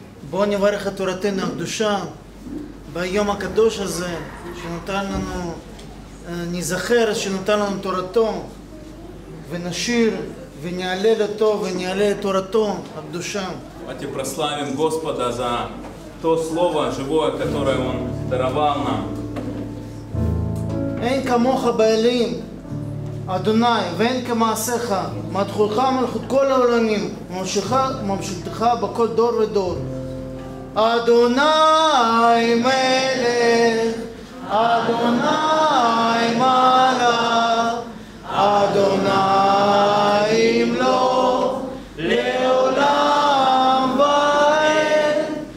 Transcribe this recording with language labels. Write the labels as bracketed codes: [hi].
[he] בוא נברך את תורתנו הקדושה ביום הקדוש הזה שנותן לנו, נזכר שנותן לנו תורתו ונשיר ונעלה לתו ונעלה לתורתו הקדושה. [ru] Давайте прославим Господа за то слово живое, которое Он даровал нам. [he] אין כמוך בעלים, אדוני, ואין כמעשיך, מתחולך מלכות כל העולמים, ממשלתך בכל דור ודור. אדוני מלך, אדוני מלך, אדוני מלוך לעולם ועד.